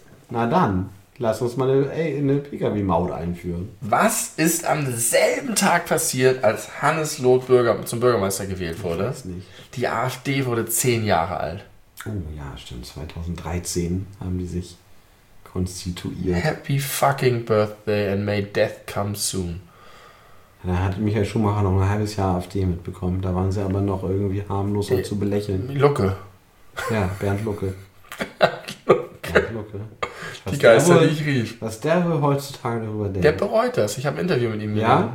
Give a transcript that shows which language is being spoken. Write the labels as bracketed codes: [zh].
[de] Na dann, lass uns mal eine Pkw-Maut einführen. Was ist am selben Tag passiert, als Hannes Loth zum Bürgermeister gewählt wurde? Ich weiß nicht. Die AfD wurde 10 Jahre alt. Oh ja, stimmt. 2013 haben die sich konstituiert. [en] Happy fucking birthday and may death come soon. [de] Da hat Michael Schumacher noch ein halbes Jahr AfD mitbekommen. Da waren sie aber noch irgendwie harmlos zu belächeln. Lucke. Ja, Bernd Lucke. Die Geister, die ich rief. Was der heutzutage darüber denkt. Der bereut das. Ich habe ein Interview mit ihm. Ja?